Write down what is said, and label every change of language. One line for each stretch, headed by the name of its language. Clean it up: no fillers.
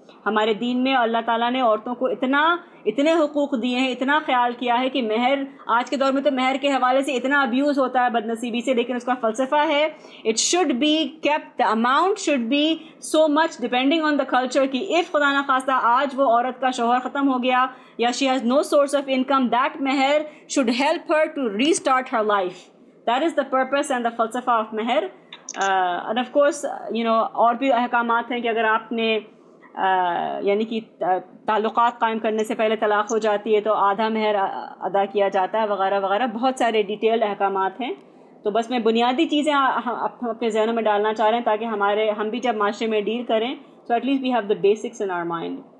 Urdu: ہمارے دین میں اللہ تعالیٰ نے عورتوں کو اتنے حقوق دیے ہیں, اتنا خیال کیا ہے کہ مہر, آج کے دور میں تو مہر کے حوالے سے اتنا ابیوز ہوتا ہے بدنصیبی سے, لیکن اس کا فلسفہ ہے
English: it should be kept, amount should be so much depending on the culture,
Urdu: کہ اف خدا نہ خواستہ آج وہ عورت کا شوہر ختم ہو گیا یا
English: She has no source of income, that mahr should help her to restart her life. That is the purpose and the فلسفہ of mahr. And of course you know
Urdu: اور بھی احکامات ہیں کہ اگر آپ نے یعنی کہ تعلقات قائم کرنے سے پہلے طلاق ہو جاتی ہے تو آدھا مہر ادا کیا جاتا ہے وغیرہ وغیرہ, بہت سارے ڈیٹیل احکامات ہیں. تو بس میں بنیادی چیزیں اپنے ذہنوں میں ڈالنا چاہ رہے ہیں تاکہ ہمارے ہم بھی جب معاشرے میں ڈیل کریں تو
English: At least we have the basics in our mind.